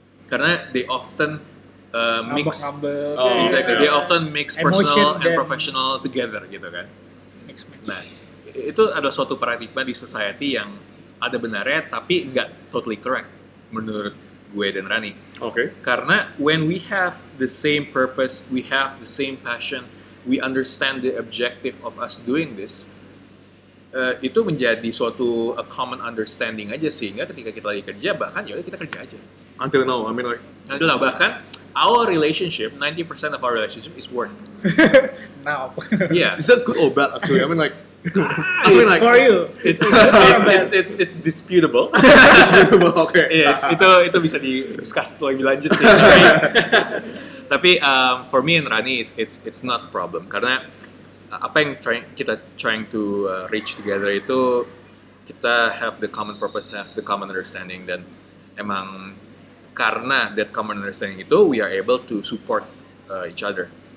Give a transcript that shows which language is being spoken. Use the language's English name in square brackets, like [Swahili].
[English] Karena they often often mix personal and professional together [Indonesian] gitu kan. [English] Mix. [Indonesian] Nah, itu adalah suatu paradigma di society yang ada benarnya tapi enggak [English] totally correct [Indonesian] menurut gue dan Rani. [English] Okay. Karena when we have the same purpose, we have the same passion, we understand the objective of us doing this, [Indonesian] itu menjadi suatu [English] a common understanding aja [Indonesian] sehingga ketika kita lagi kerja bahkan ya kita kerja aja. [English] Until now, I mean like. Until now, [Indonesian] bahkan [English] our relationship, 90% of our relationship is work. Now. Yeah. Is that good or bad actually? I mean like. For you. It's disputable. Disputable, okay. [Indonesian] Yeah, itu bisa di discuss lebih lanjut sih. [English] Sorry. [Indonesian] Tapi [English] for me and Rani, it's not a problem. [Indonesian] Karena apa yang kita [English] trying to reach together itu, kita have the common purpose, have the common understanding, [Indonesian] dan emang karena [English] that common understanding itu, we are able to support each other.